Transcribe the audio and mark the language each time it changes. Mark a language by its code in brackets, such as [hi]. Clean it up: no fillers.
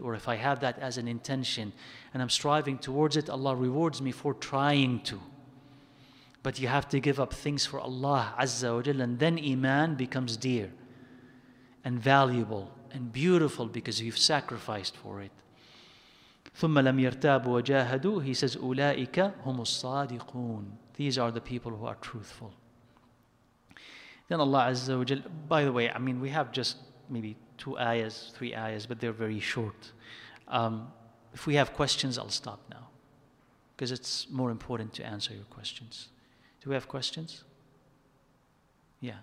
[en] Or if I have that as an intention and I'm striving towards it, Allah rewards me for trying to. But you have to give up things for Allah Azza wa Jal, and then iman becomes dear and valuable and beautiful because you've sacrificed for it. [ar] ثُمَّ لَمْ يَرْتَابُوا وَجَاهَدُوا. [en] He says, [ar] أُولَٰئِكَ هُمُ الصَّادِقُونَ. [en] These are the people who are truthful. Then Allah Azza wa Jal, by the way, I mean, we have just maybe two ayahs, three ayahs, but they're very short. If we have questions, I'll stop now because it's more important to answer your questions. Do we have questions? Yeah.